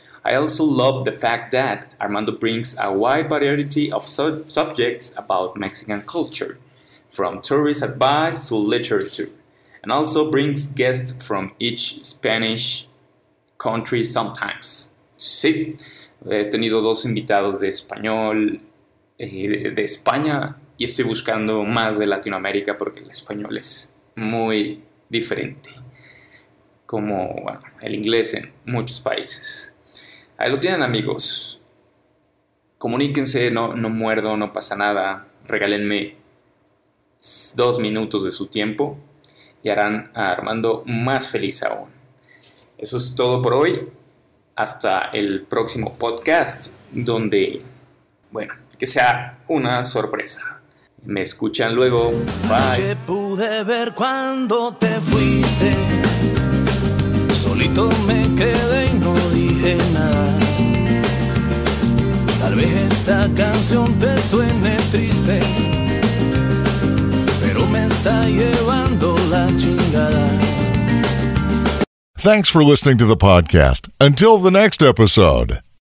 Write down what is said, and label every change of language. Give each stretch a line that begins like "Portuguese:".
English: I also love the fact that Armando brings a wide variety of subjects about Mexican culture, from tourist advice to literature, and also brings guests from each Spanish country sometimes.
Spanish: Sí, he tenido 2 invitados de español, de España, y estoy buscando más de Latinoamérica porque el español es muy diferente, como bueno, el inglés en muchos países. Ahí lo tienen, amigos. Comuníquense, no muerdo, no pasa nada. Regálenme 2 minutos de su tiempo y harán a Armando más feliz aún. Eso es todo por hoy. Hasta el próximo podcast donde, bueno, que sea una sorpresa. Me escuchan luego. Bye. Pude ver cuando te fuiste. Solito me quedé y no dije nada. Tal vez esta canción te suene triste, pero me está llevando la chingada.
English: Thanks for listening to the podcast. Until the next episode.